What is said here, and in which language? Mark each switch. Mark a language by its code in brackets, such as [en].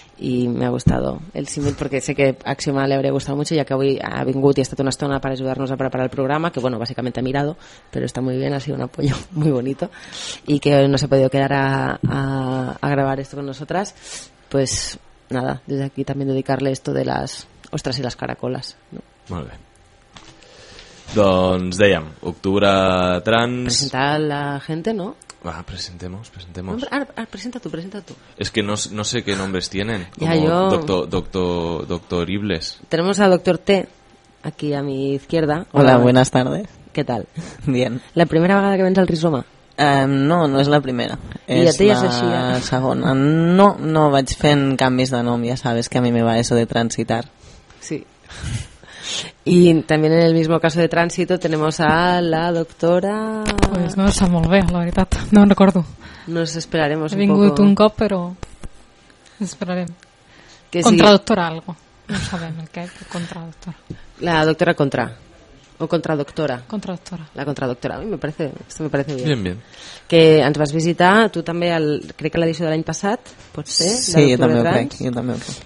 [es] Y me ha gustado el símil porque sé que a Axioma le habría gustado mucho, ya que hoy [ca] ha vingut [es] y ha estado [ca] una estona [es] para ayudarnos a preparar el programa, que bueno, básicamente ha mirado, pero está muy bien, ha sido un apoyo muy bonito, y que no se ha podido quedar a grabar esto con nosotras. Pues nada, desde aquí también dedicarle esto de las ostras y las caracolas, ¿no? Muy bien. [ca] Doncs dèiem, octubre trans... [es] Presentar la gente, ¿no? Va, presentemos. Nombre, presenta tú. Es que no sé qué nombres tienen. Ya, yo... Doctor Ibles. Tenemos a Doctor T aquí a mi izquierda. Hola, buenas tardes. ¿Qué tal? Bien. ¿La primera vez que vienes al Rizoma? No es la primera. ¿Y a ti ya es la segunda? No, [ca] vaig fent canvis de nom, [es] ya sabes que a mí me va eso de transitar. Sí. Y también en el mismo caso de tránsito tenemos a la doctora... Pues no, está muy bien, la verdad, no recuerdo. Nos esperaremos un poco. He venido [ca] un cop, [es] pero esperaremos. Contradoctora algo, no sabemos qué es contradoctora. La doctora contra. O contradoctora. Contradoctora. La contradoctora. A mi me parece, esto me parece bien. Bien, bien. [ca] Que ens vas visitar, tu també, el, crec que l'edició de l'any passat, pot ser? Sí, jo també ho crec, jo també ho crec.